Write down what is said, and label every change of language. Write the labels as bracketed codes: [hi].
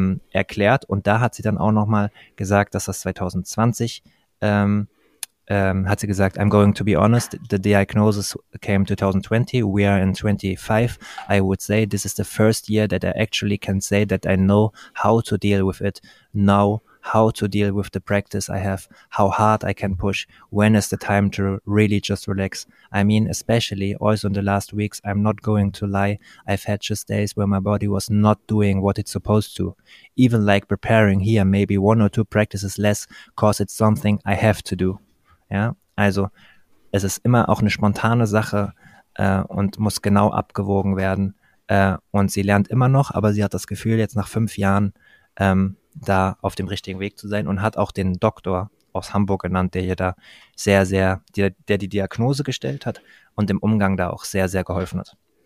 [de] erklärt und da hat sie dann auch nochmal gesagt, dass das 2020 hat sie gesagt, [en] I'm going to be honest, the diagnosis came 2020, we are in 25, I would say this is the first year that I actually can say that I know how to deal with it now, how to deal with the practice I have, how hard I can push, when is the time to really just relax. I mean, especially also in the last weeks, I'm not going to lie, I've had just days where my body was not doing what it's supposed to. Even like preparing here, maybe one or two practices less, cause it's something I have to do. [de] Ja, also es ist immer auch eine spontane Sache und muss genau abgewogen werden. Und sie lernt immer noch, aber sie hat das Gefühl, jetzt nach 5 Jahren da auf dem richtigen Weg zu sein und hat auch den Doktor aus Hamburg genannt, der ihr da sehr, sehr, der die Diagnose gestellt hat und dem Umgang da auch sehr, sehr geholfen hat.